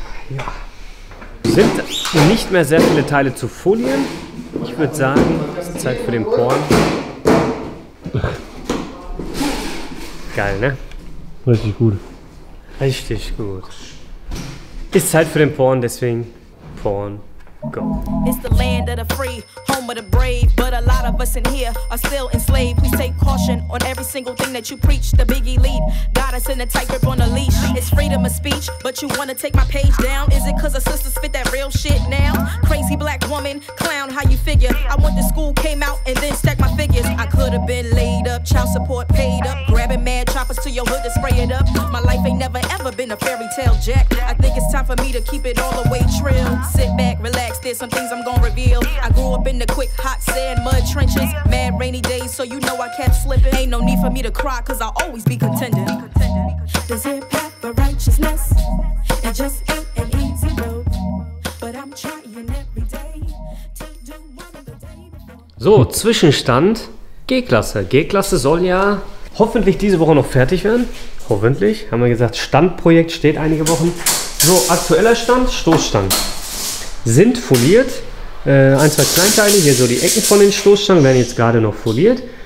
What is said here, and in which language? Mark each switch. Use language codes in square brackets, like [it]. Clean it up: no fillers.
[de] Ja. Sind nicht mehr sehr viele Teile zu folieren. Ich würde sagen, es ist Zeit für den Porn. Geil, ne? Richtig gut. Richtig gut. Ist Zeit für den Porn, deswegen Porn, go. [en] It's the land of the free, home of the brave, but a lot of us in here are still enslaved. Please take caution on every single thing that you preach. The big elite got us in a tight grip on a leash. It's freedom of speech, but you wanna take my page down? Is it cause our sisters spit that real shit now? Crazy black woman, clown, how you figure? I went to school, came out, and then stacked my figures. I could have been laid up, child support paid up, grabbing mad choppers to your hood to spray it up. My life ain't never ever been a fairy tale, Jack. I think it's time for me to keep it all the way trill. Sit back, relax, there's some things I'm gonna reveal. I grew up in the quick hot sand mud trenches, mad rainy days, so you know I kept slipping. Ain't no need for me to cry, cause I'll always be contending. Does it path for righteousness? It just ain't an easy road, but I'm trying every day to do one of the day. So, [de] Zwischenstand. G-Klasse. G-Klasse soll ja hoffentlich diese Woche noch fertig werden. Hoffentlich. Haben wir gesagt, Standprojekt steht einige Wochen. So, aktueller Stand, Stoßstangen. Sind foliert. Ein, zwei Kleinteile, hier so die Ecken von den Stoßstangen werden jetzt gerade noch foliert.